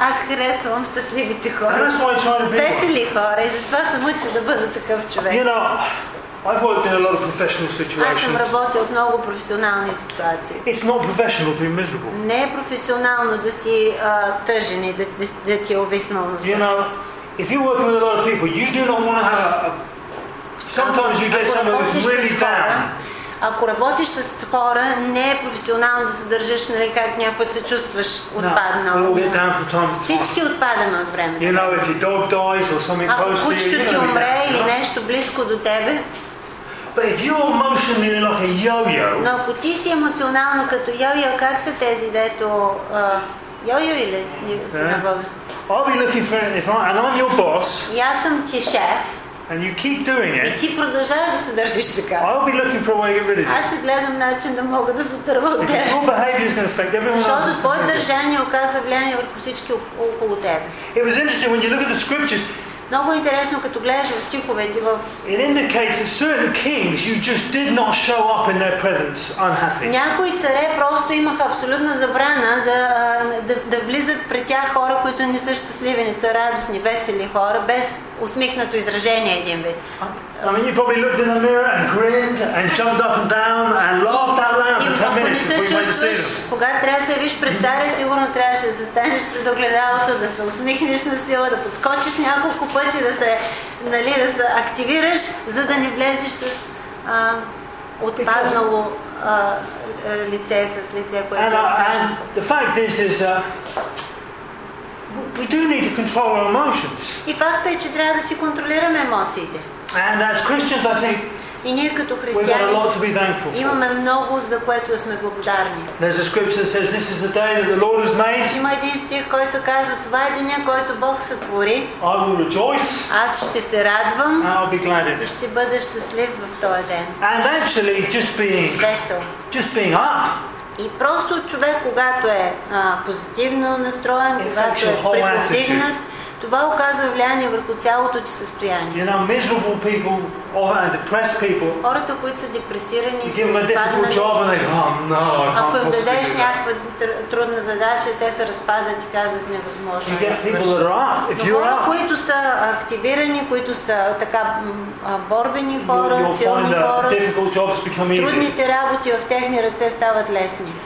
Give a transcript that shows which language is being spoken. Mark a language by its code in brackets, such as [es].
[bg] Аз харесвам щастливите хора. [en] And that's why I try to be. [bg] Весели хора, и затова съм уча да бъда такъв човек. [en] You know, I've worked in a lot of professional situations. [bg] Аз съм работил в много професионални ситуации. [en] It's not professional to be miserable. [bg] Не е професионално да си тъжен и да ти е увеснално. [en] You know, if you work with a lot of people, you do not want to have sometimes you get someone who's really down. [bg] Ако работиш с хора, не е професионално да се държиш, нали, как някой се чувстваш отпаднал. [en] No, [bg] всички отпадаме от време. [en] You know, if your dog dies or something close to you, [bg] ако кучето ти умре или нещо близко до тебе. [en] But if you're emotionally like a yo-yo. [bg] Но ако ти си емоционално като йо-йо, как са тези, дето йо-йо или си на български? [en] I'll be looking for, if I, and I'm your boss. [bg] И аз съм ти шеф. [en] And you keep doing it. [bg] И ти продължаваш да се държиш така. [en] I'll be looking for a way to get rid of you. [bg] Аз ще гледам начин да мога да се отърва от теб. [en] Your behavior is going to affect everyone. [bg] Защото твоето държание оказва влияние върху всички около теб. [en] It was interesting when you look at the scriptures. [bg] Много интересно като гледаш в стиховете в. [en] It indicates that certain kings you just did not show up in their presence unhappy. [bg] Някои царе просто имаха абсолютна забрана да влизат при тях хора, които не са щастливи, не са радостни, весели хора, без усмихнато изражение един вид. [en] I mean, you probably looked in the mirror and grinned and jumped up and down and laughed out loud for 10 minutes. [bg] Ако не се чувстваш, когато трябва да се явиш пред царя, сигурно трябваше да се станеш пред огледалото, да се усмихнеш на сила, да подскочиш няколко пъти, да се, нали, да се активираш, за да не влезеш с отпаднало лице, с лице, което е тъжно. [en] The fact is, we do need to control our emotions. [bg] И фактът е, че трябва да си контролираме емоциите. [en] And as Christians, I think. [bg] И ние като християни имаме много, за което сме благодарни. [en] There's a scripture that says this is the day that the Lord has made. [bg] Има един стих, който казва: това е деня, който Бог сътвори. [en] I will rejoice. [bg] Аз ще се радвам. [en] And I'll be glad in it. [bg] И ще бъда щастлив в този ден. [en] And actually, just being [bg] весел. [en] Just being up. [bg] И просто човек, когато е позитивно настроен, когато е приповдигнат, това оказва влияние върху цялото ти състояние. [en] You know, miserable people or depressed people. [bg] Хората, които са депресирани, и отпаднали. Ако им дадеш някаква трудна задача, те се разпадат и казват: невъзможно. Хора, които са активирани, които са така борбени хора, силни хора, трудните работи в техни ръце стават лесни.